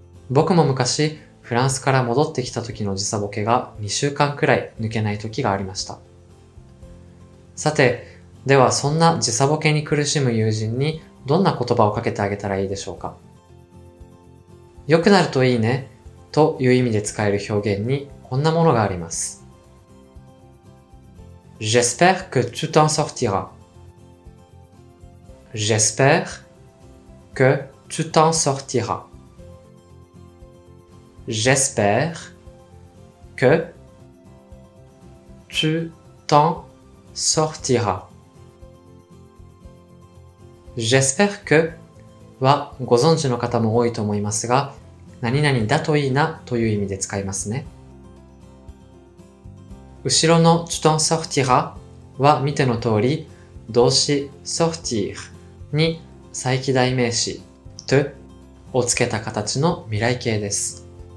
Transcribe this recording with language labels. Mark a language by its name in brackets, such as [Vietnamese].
[Japanese] 僕も昔フランスから戻ってきた時の時差ボケが2週間くらい抜けない時がありました。さて、ではそんな時差ボケに苦しむ友人にどんな言葉をかけてあげたらいいでしょうか。良くなるといいねという意味で使える表現にこんなものがあります。 [French] J'espère que tu t'en sortiras. J'espère que tu t'en sortiras. J'espère que tu t'en sortiras. [Japanese] J'espère que はご存知の方も多いと思いますが、何々だといいなという意味で使いますね。後ろの [French] tu t'en sortiras [Japanese] は見ての通り、動詞 sortir に再起代名詞 te をつけた形の未来形です。